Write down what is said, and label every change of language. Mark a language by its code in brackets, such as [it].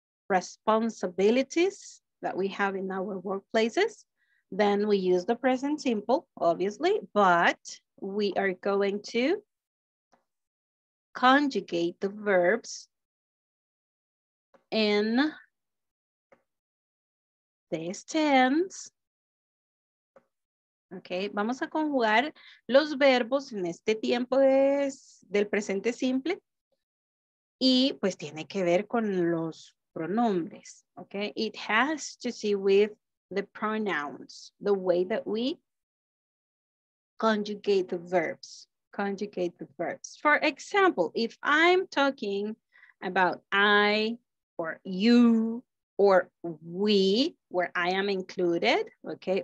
[en] responsibilities that we have in our workplaces, then we use the present simple, obviously, but we are going to conjugate the verbs in this tense. [es] Okay, vamos a conjugar los verbos en este tiempo del presente simple. Y pues tiene que ver con los pronombres. [en] Okay, it has to see with the pronouns, the way that we conjugate the verbs. Conjugate the verbs. For example, if I'm talking about I, or you, or we, where I am included, okay?